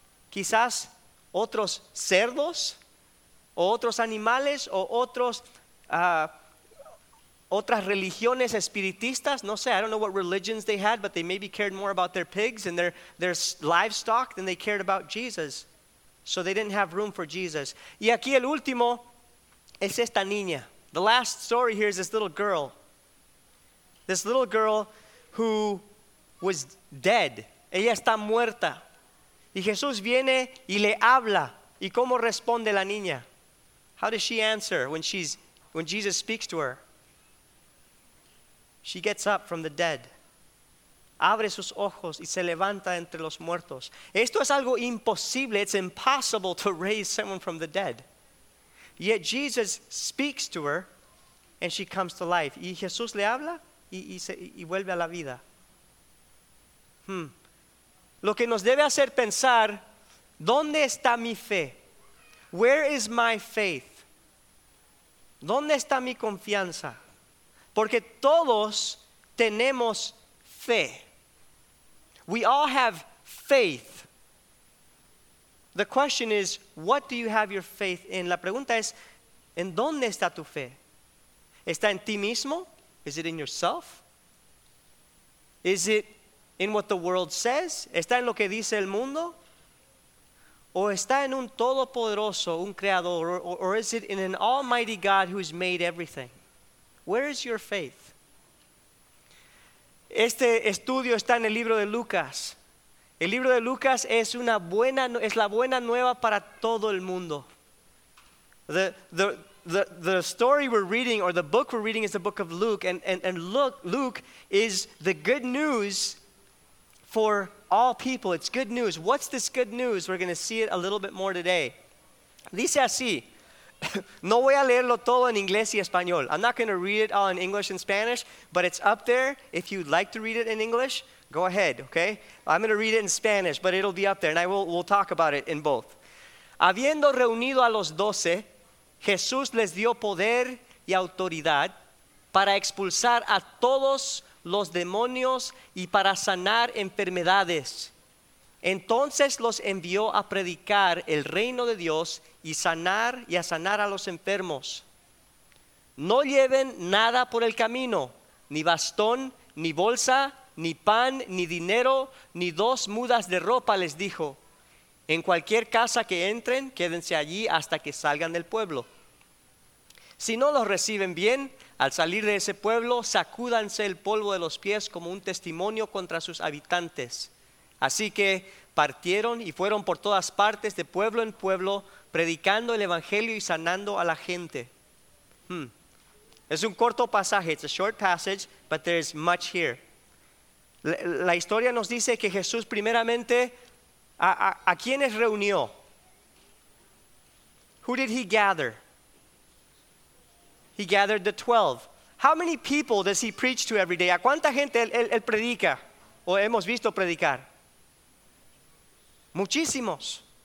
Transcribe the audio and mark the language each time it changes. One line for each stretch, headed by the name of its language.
Spanish: Quizás otros cerdos, o otros animales, o otros otras religiones espiritistas. No sé,
English: I don't know what religions they had, but they maybe cared more about their pigs and their livestock than they cared about Jesus. So they didn't have room for Jesus.
Spanish: Y aquí el último es esta niña.
English: The last story here is this little girl. This little girl who was dead.
Spanish: Ella está muerta. Y Jesús viene y le habla. ¿Y cómo responde la niña?
English: How does she answer when Jesus speaks to her? She gets up from the dead.
Spanish: Abre sus ojos y se levanta entre los muertos. Esto es algo imposible.
English: It's impossible to raise someone from the dead. Yet Jesus speaks to her and she comes to life.
Spanish: Y Jesús le habla y vuelve a la vida. Lo que nos debe hacer pensar, ¿dónde está mi fe?
English: Where is my faith?
Spanish: ¿Dónde está mi confianza? Porque todos tenemos fe.
English: We all have faith. The question is, what do you have your faith in?
Spanish: La pregunta es, ¿en dónde está tu fe? ¿Está en ti mismo?
English: Is it in yourself? Is it in what the world says?
Spanish: ¿Está en lo que dice el mundo? ¿O está en un todopoderoso, un creador?
English: Or is it in an almighty God who has made everything? Where is your faith?
Spanish: Este estudio está en el libro de Lucas. El libro de Lucas es la buena nueva para todo el mundo.
English: The story we're reading, or the book we're reading, is the book of Luke. And Luke is the good news for all people. It's good news. What's this good news? We're going to see it a little bit more today.
Spanish: Dice así. No voy a leerlo todo en inglés y español.
English: I'm not going to read it all in English and Spanish, but it's up there. If you'd like to read it in English, go ahead, okay? I'm going to read it in Spanish, but it'll be up there, and we'll talk about it in both.
Spanish: Habiendo reunido a los doce, Jesús les dio poder y autoridad para expulsar a todos los demonios y para sanar enfermedades. Entonces los envió a predicar el reino de Dios y sanar y a sanar a los enfermos. No lleven nada por el camino, ni bastón, ni bolsa, ni pan, ni dinero, ni dos mudas de ropa, les dijo. En cualquier casa que entren, quédense allí hasta que salgan del pueblo. Si no los reciben bien, al salir de ese pueblo, sacúdanse el polvo de los pies como un testimonio contra sus habitantes. Así que partieron y fueron por todas partes, de pueblo en pueblo, predicando el evangelio y sanando a la gente. Es un corto pasaje,
English: it's a short passage, but there's much here.
Spanish: La historia nos dice que Jesús primeramente, ¿a quiénes reunió?
English: Who did he gather? He gathered the 12. How many people does he preach to every day?
Spanish: ¿A cuánta gente él predica o hemos visto predicar? Muchísimos.